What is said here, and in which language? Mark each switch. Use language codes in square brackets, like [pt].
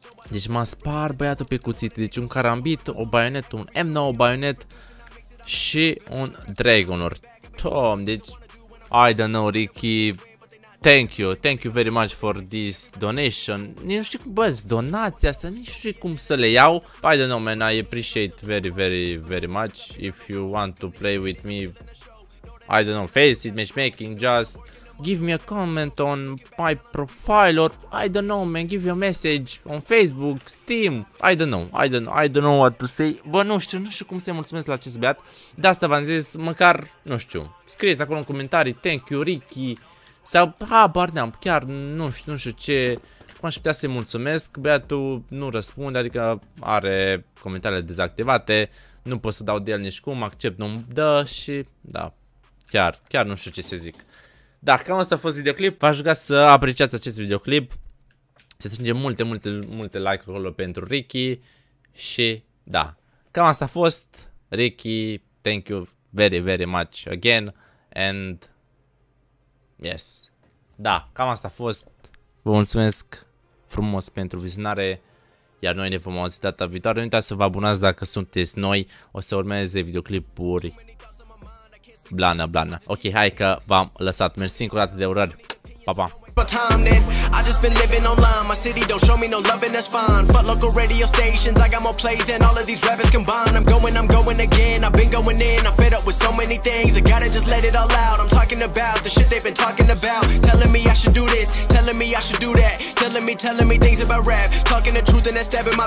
[ro] Deci m-a spart băiatul pe cuțite, deci un carambit, o baionetă, un M9 baionet și un Dragonor. [en] Tom, deci I don't know, Ricky. Thank you very much for this donation. [ro] Nu știu cum, bă, donația asta, nici nu știu cum să le iau. [en] I don't know, man, I appreciate very very very much. If you want to play with me, I don't know, face it, matchmaking, just give me a comment on my profile or I don't know, man, give me a message on Facebook, Steam, I don't know what to say. [ro] Bă, nu știu cum să-i mulțumesc la acest băiat. De asta v-am zis, măcar, nu știu, scrieți acolo în comentarii, [en] thank you, [ro] Ricky, sau, habar n-am, chiar nu știu ce, cum aș putea să-i mulțumesc. Băiatul nu răspunde, adică are comentariile dezactivate, nu pot să dau de el nici cum, accept, nu-mi dă și, da, chiar nu știu ce să zic. Da, cam asta a fost videoclip, v-aș ruga să apreciați acest videoclip, să strângem multe like acolo pentru Ricky și, da, cam asta a fost, Ricky, [en] thank you very, very much again and... Yes. [ro] Da, cam asta a fost. Vă mulțumesc frumos pentru vizionare. Iar noi ne vom auzi data viitoare. Nu uitați să vă abonați dacă sunteți noi. O să urmeze videoclipuri. Blana, blana. Ok, hai că v-am lăsat. Mersi încă o dată de urări. Pa, pa. [en] I just been living online. My city don't show me no love and that's fine. Fuck local radio stations. I got more plays than all of these rappers combined. I'm going again. I've been going in. I'm fed up with so many things. I gotta just let it all out. I'm talking about the shit they've been talking about. Telling me I should do this. Telling me I should do that. Telling me things about rap. Talking the truth and that stabbing my